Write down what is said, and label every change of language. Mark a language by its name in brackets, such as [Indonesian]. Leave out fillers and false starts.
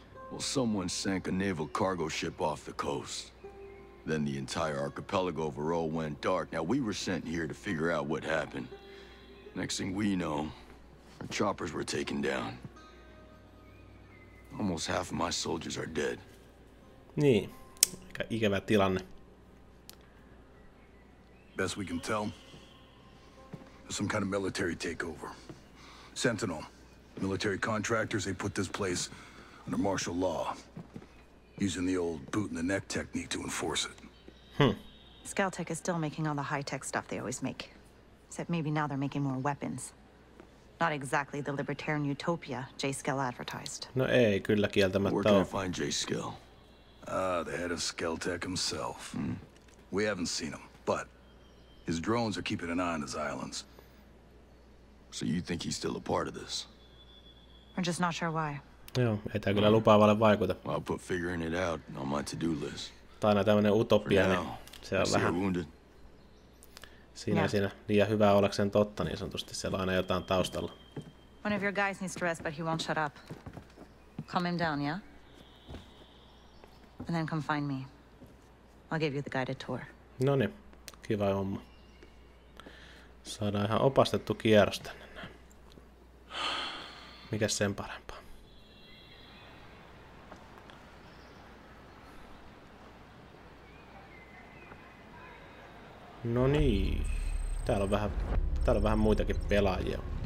[English] Well, someone sank a naval cargo ship off the coast. Then the entire archipelago overall went dark. Now we were sent here to figure out what happened. Next thing we know, our choppers were taken down. Almost half of my soldiers are dead. [Finnish] Niin, aika ikävä tilanne. [English] Best we can tell, some kind of military takeover. Sentinel, military contractors, they put this place under martial law, using the old boot in the neck technique to enforce it. Skeltech is still making all the high-tech stuff they always make. Except maybe now they're making more weapons. Not exactly the libertarian utopia J-Skell advertised. [Finnish] No ei, kyllä kieltämättä on. [English] Where can I find J-Skell? The head of Skeltech himself. Mm. We haven't seen him, but his drones are keeping an eye on his islands. So you think he's still a part of this? We're just not sure why. [Finnish] Joo, ei tää kyllä lupaavalle vaikuta. [English] I'll put figuring it out on my to-do list. [Finnish] Tai aina tämmönen utopia, niin se on vähän siinä siinä liian hyvää ollakseen totta, niin sanotusti siellä on aina jotain taustalla. [English] One of your guys needs to rest, but he won't shut up. Calm him down, yeah? And then come find me. I'll give you the guided tour. [Finnish] Noni, kiva homma. Saadaan ihan opastettu kierros tänne näin. Mikäs sen parempaa? No niin. Täällä on vähän muitakin pelaajia.